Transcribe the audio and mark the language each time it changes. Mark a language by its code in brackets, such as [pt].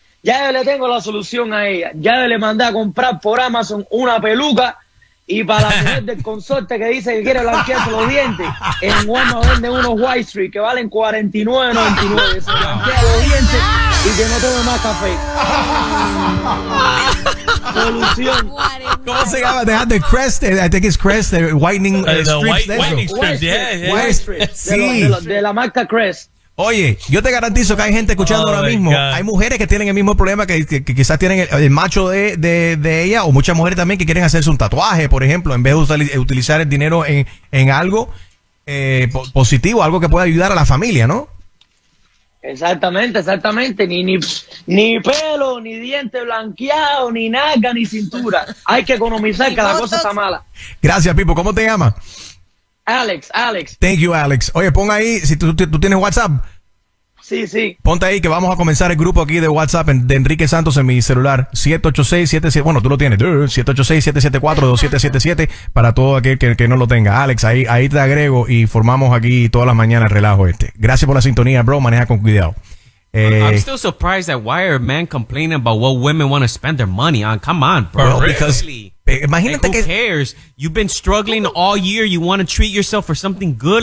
[es] Ya yo le tengo la solución a ella. Ya yo le mandé a comprar por Amazon una peluca. Y para la mujer del consorte que dice que quiere blanquearse los dientes, en Walmart venden unos White Street que valen $49.99. Se blanquea los dientes y que no tome más café. Solución. ¿Cómo se llama? [en] They have the crest, I think it's crest, the whitening strips. [es] De la marca Crest. Oye, yo te garantizo que hay gente escuchando ahora mismo. God. Hay mujeres que tienen el mismo problema que quizás tienen el macho de ella, o muchas mujeres también que quieren hacerse un tatuaje, por ejemplo, en vez de utilizar el dinero en algo positivo, algo que pueda ayudar a la familia, ¿no? Exactamente. Ni pelo, ni diente blanqueado, ni nalga, ni cintura. Hay que economizar, que la cosa está mala. Gracias, Pipo. ¿Cómo te llamas? Alex. [en] Thank you, Alex. [es] Oye, pon ahí, si tú tienes WhatsApp. Sí, sí. Ponte ahí que vamos a comenzar el grupo aquí de WhatsApp de Enrique Santos en mi celular. 786-77, bueno, tú lo tienes. 786-774-2777 para todo aquel que no lo tenga. Alex, ahí te agrego y formamos aquí todas las mañanas el relajo este. Gracias por la sintonía, bro. Maneja con cuidado. [en] I'm still surprised that why are men complaining about what women want to spend their money on. Come on, bro. Well, because really? [es] Imagínate [en] like, who cares? You've been struggling all year. You want to treat yourself for something good.